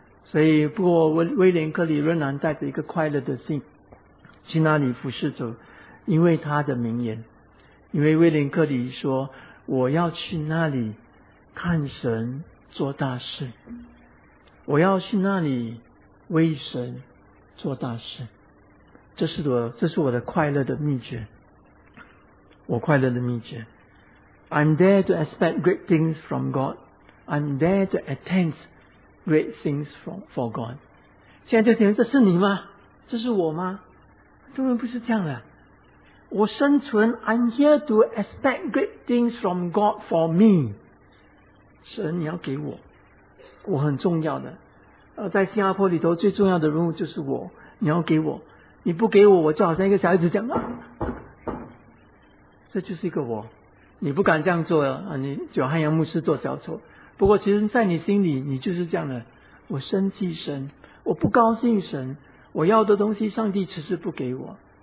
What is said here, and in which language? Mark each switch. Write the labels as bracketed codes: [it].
[zh] 所以不过威廉克里仍然带着一个快乐的心去那里服侍主，因为他的名言，因为威廉克里说我要去那里看神做大事，我要去那里为神做大事，这是我的快乐的秘诀，我快乐的秘诀。 [en] I'm there to expect great things from God. I'm there to attend great things for God. [zh] 现在就听，这是你吗？这是我吗？根本不是这样的。我生存 [en] I'm here to expect great things from God for me. [zh] 神你要给我，我很重要的。在新加坡里头最重要的人物就是我，你要给我，你不给我，我就好像一个小孩子讲啊，这就是一个我。你不敢这样做啊，你就汉阳牧师做小丑。不过其实在你心里你就是这样的，我生气神，我不高兴神，我要的东西上帝迟迟不给我。